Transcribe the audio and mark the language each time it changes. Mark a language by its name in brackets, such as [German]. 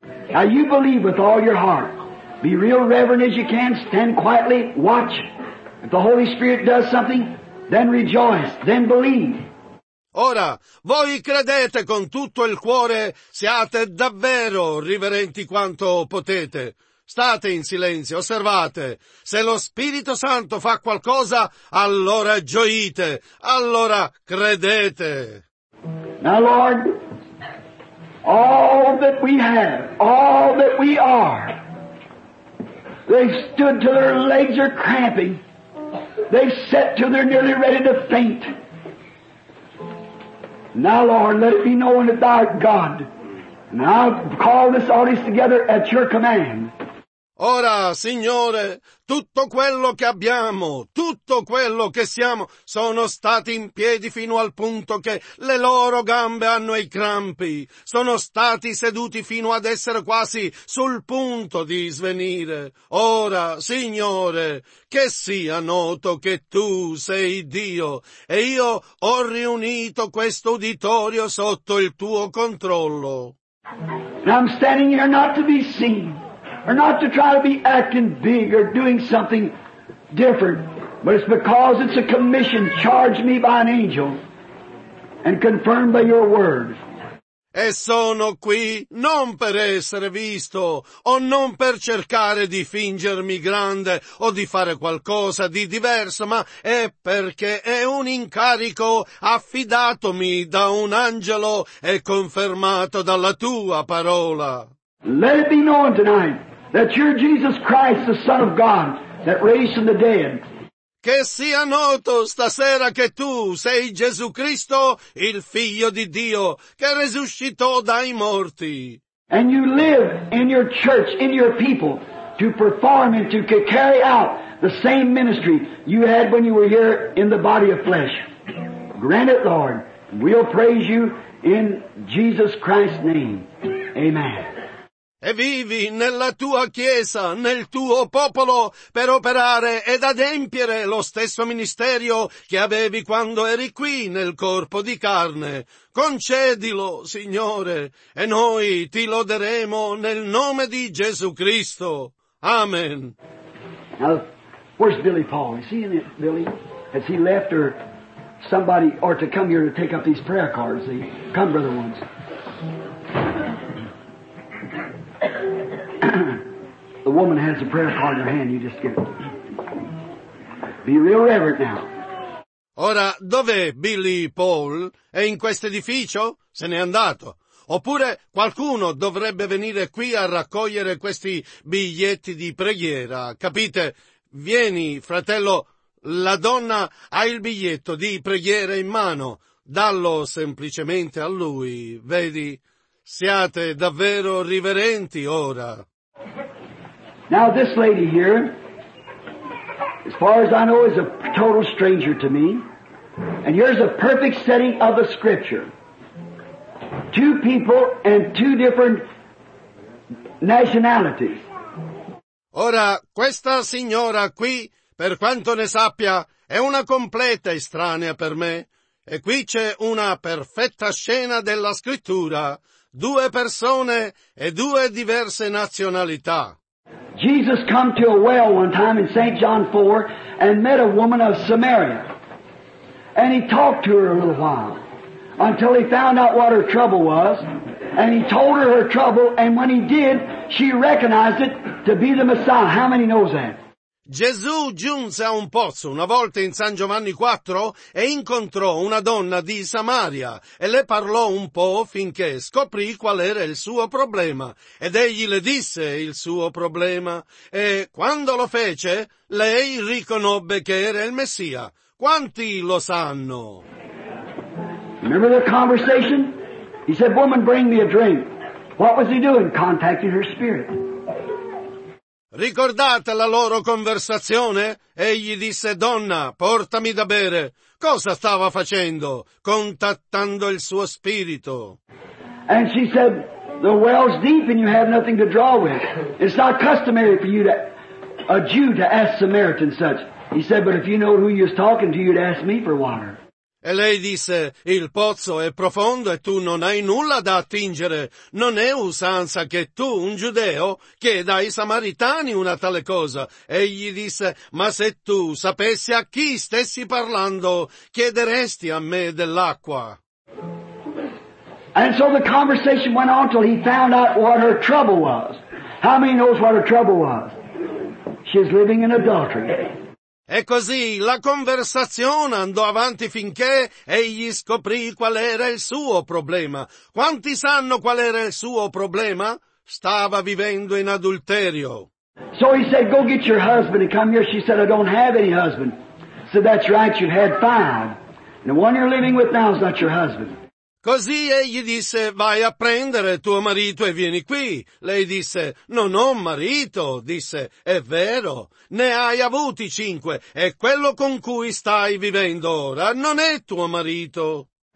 [English] Now you believe with all your heart. Be real reverent as you can. Stand quietly. Watch. If the Holy Spirit does something, then rejoice. Then believe. [Italian] Ora, voi credete con tutto il cuore, siate davvero riverenti quanto potete. State in silenzio, osservate. Se lo Spirito Santo fa qualcosa, allora gioite, allora credete. [English] Now, Lord, all that we have, all that we are, they stood till their legs are cramping. They sat till they're nearly ready to faint. Now, Lord, let it be known that thou art God. Now call this audience together at your command. [Italian] Ora, Signore, tutto quello che abbiamo, tutto quello che siamo, sono stati in piedi fino al punto che le loro gambe hanno i crampi. Sono stati seduti fino ad essere quasi sul punto di svenire. Ora, Signore, che sia noto che Tu sei Dio e io ho riunito questo uditorio sotto il Tuo controllo. [English] I'm standing here not to be seen. Or not to try to be acting big or doing something different, but it's because it's a commission charged me by an angel and confirmed by your word. [Italian] E sono qui non per essere visto o non per cercare di fingermi grande o di fare qualcosa di diverso, ma è perché è un incarico affidatomi da un angelo e confermato dalla tua parola. [English] Let it be known tonight. That you're Jesus Christ, the Son of God, that raised from the dead. [Italian] Che sia noto stasera che tu sei Gesù Cristo, il Figlio di Dio, che resuscitò dai morti. [English] And you live in your church, in your people, to perform and to carry out the same ministry you had when you were here in the body of flesh. Grant it, Lord. We'll praise you in Jesus Christ's name. Amen. [Italian] E vivi nella tua chiesa, nel tuo popolo, per operare ed adempiere lo stesso ministerio che avevi quando eri qui nel corpo di carne. Concedilo, Signore, e noi ti loderemo nel nome di Gesù Cristo. Amen. [English] Now, where's Billy Paul? Is he in it, Billy? Has he left or somebody or to come here to take up these prayer cards? Come, brother ones. the woman has a prayer card in her hand, you just give it. Be real reverent now. [Italian] Ora, dov'è Billy Paul? È in questo edificio? Se n'è andato. Oppure qualcuno dovrebbe venire qui a raccogliere questi biglietti di preghiera, capite? Vieni, fratello, la donna ha il biglietto di preghiera in mano, dallo semplicemente a lui, vedi? Siate davvero riverenti ora. [English] Now this lady here, as far as I know, is a total stranger to me, and here's a perfect setting of the scripture. Two people and two different nationalities. [Italian] Ora, questa signora qui, per quanto ne sappia, è una completa estranea per me. E qui c'è una perfetta scena della scrittura. Due persone e due diverse nazionalità. [English] Jesus came to a well one time in St. John 4 and met a woman of Samaria. And he talked to her a little while. Until he found out what her trouble was, and he told her her trouble, and when he did, she recognized it to be the Messiah. How many knows that? [Italian] Gesù giunse a un pozzo una volta in San Giovanni 4 e incontrò una donna di Samaria e le parlò un po' finché scoprì qual era il suo problema ed egli le disse il suo problema e quando lo fece, lei riconobbe che era il Messia. Quanti lo sanno? [English] Remember the conversation? He said, woman, bring me a drink. What was he doing? Contacting her spirit. [Italian] Ricordate la loro conversazione? Egli disse, donna, portami da bere. Cosa stava facendo? Contattando il suo spirito. [English] And she said, the well's deep and you have nothing to draw with. It's not customary for you to, a Jew to ask Samaritan such. He said, but if you know who you're talking to, you'd ask me for water. [Italian] E lei disse, il pozzo è profondo e tu non hai nulla da attingere. Non è usanza che tu, un giudeo, chieda ai samaritani una tale cosa. E gli disse, ma se tu sapessi a chi stessi parlando, chiederesti a me dell'acqua. [English] And so the conversation went on till he found out what her trouble was. How many knows what her trouble was? She's living in adultery. [Italian] E così la conversazione andò avanti finché egli scoprì qual era il suo problema. Quanti sanno qual era il suo problema? Stava vivendo in adulterio. [English] So he said, go get your husband and come here. She said, I don't have any husband. So that's right, you had five. And the one you're living with now is not your husband. [Italian] Così egli disse, vai a prendere tuo marito e vieni qui. Lei disse, non ho marito. Disse, è vero, ne hai avuti cinque e quello con cui stai vivendo ora non è tuo marito.